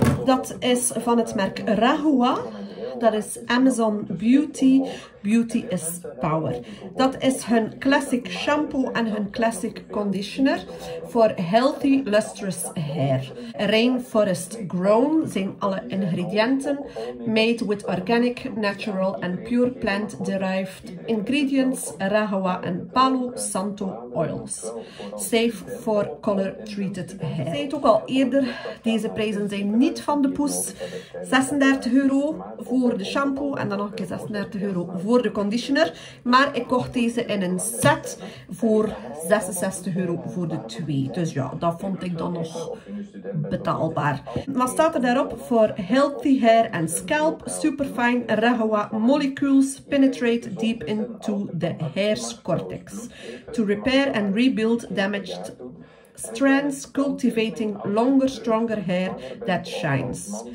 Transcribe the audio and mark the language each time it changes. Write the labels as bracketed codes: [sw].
[nl] Dat is van het merk Rahua. Dat is Amazon Beauty. [en] Beauty is power. [nl] Dat is hun classic shampoo en hun classic conditioner voor [en] healthy lustrous hair. Rainforest grown [nl] zijn alle ingrediënten. [en] Made with organic, natural and pure plant derived ingredients. Rahua en Palo Santo oils. Safe for color treated hair. [nl] Ik zei het ook al eerder, deze prijzen zijn niet van de poes. 36 euro voor de shampoo en dan nog een keer 36 euro voor de conditioner, maar ik kocht deze in een set voor 66 euro voor de twee. Dus ja, dat vond ik dan nog betaalbaar. Wat staat er daarop? [en] Voor healthy hair and scalp, superfine Rahua molecules penetrate deep into the hair's cortex to repair and rebuild damaged strands, cultivating longer, stronger hair that shines.